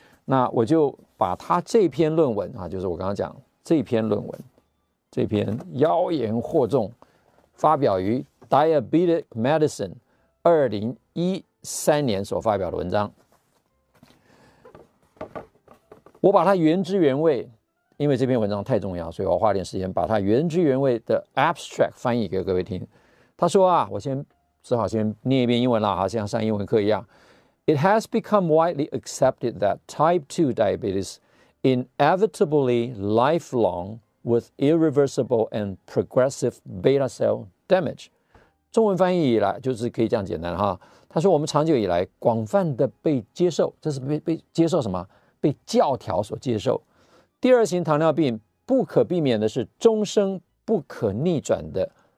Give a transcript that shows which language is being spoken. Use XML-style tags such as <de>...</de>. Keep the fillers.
<zh>那我就把他这篇论文啊，就是我刚刚讲这篇论文，这篇妖言惑众，发表于《Diabetic Medicine》二零一三年所发表的文章。我把它原汁原味，因为这篇文章太重要，所以我花点时间把它原汁原味的 abstract 翻译给各位听。他说啊，我先。只好先念一遍英文啦，好像上英文课一样。</zh> <en>It has become widely accepted that type two diabetes inevitably lifelong with irreversible and progressive beta cell damage。</en> <zh>中文翻译以来就是可以这样简单哈。他说我们长久以来广泛的被接受，这是被被接受什么？被教条所接受。第二型糖尿病不可避免的是终生不可逆转的。</zh>